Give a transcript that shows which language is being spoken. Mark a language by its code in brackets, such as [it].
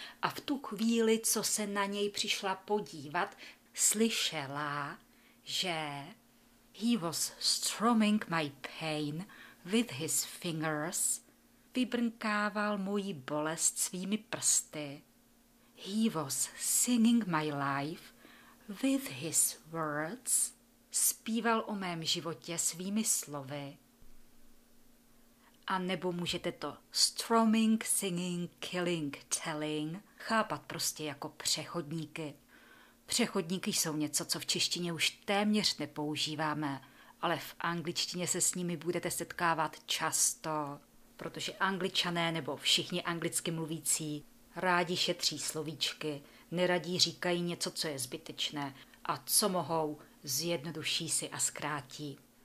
[cs] A v tu chvíli, co se na něj přišla podívat, slyšela, že [en] he was strumming my pain with his fingers. [cs] Vybrnkával moji bolest svými prsty. [en] He was singing my life with his words. [cs] Zpíval o mém životě svými slovy. A nebo můžete to strumming, singing, killing, telling chápat prostě jako přechodníky. Přechodníky jsou něco, co v češtině už téměř nepoužíváme, ale v angličtině se s nimi budete setkávat často, protože Angličané nebo všichni anglicky mluvící rádi šetří slovíčky, neradí říkají něco, co je zbytečné a co mohou, zjednoduší si a zkrátí.